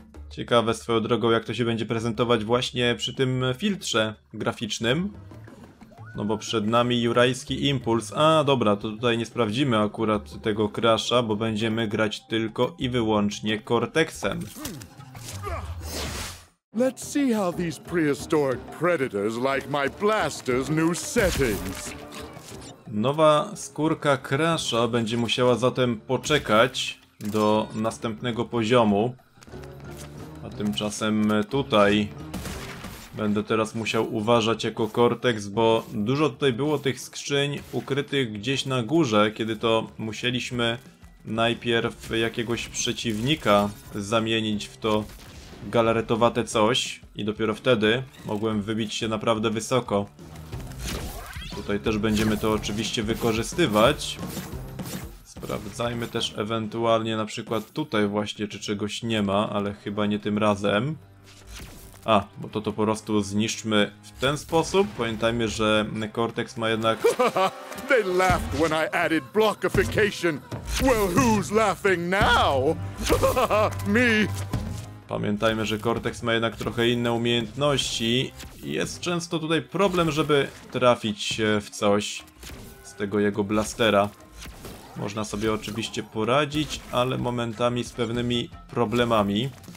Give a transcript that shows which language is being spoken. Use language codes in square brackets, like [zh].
[pl] Ciekawe swoją drogą, jak to się będzie prezentować właśnie przy tym filtrze graficznym. No bo przed nami jurajski impuls. A dobra, to tutaj nie sprawdzimy akurat tego Crasha, bo będziemy grać tylko i wyłącznie Cortexem. [en] Let's see how these prehistoric predators like my blaster's new settings. [pl] Nowa skórka Crasha będzie musiała zatem poczekać do następnego poziomu. A tymczasem tutaj będę teraz musiał uważać jako Cortex, bo dużo tutaj było tych skrzyń ukrytych gdzieś na górze, kiedy to musieliśmy najpierw jakiegoś przeciwnika zamienić w to galaretowate coś i dopiero wtedy mogłem wybić się naprawdę wysoko. Tutaj też będziemy to oczywiście wykorzystywać. Sprawdzajmy też ewentualnie na przykład tutaj właśnie, czy czegoś nie ma, ale chyba nie tym razem. A, bo to po prostu zniszczmy w ten sposób. Pamiętajmy, że Cortex ma jednak... [en] They laughed when I added blockification. Well, who's laughing now? Me. [pl] Pamiętajmy, że Cortex ma jednak trochę inne umiejętności. Jest często tutaj problem, żeby trafić w coś z tego jego blastera. Można sobie oczywiście poradzić, ale momentami z pewnymi problemami.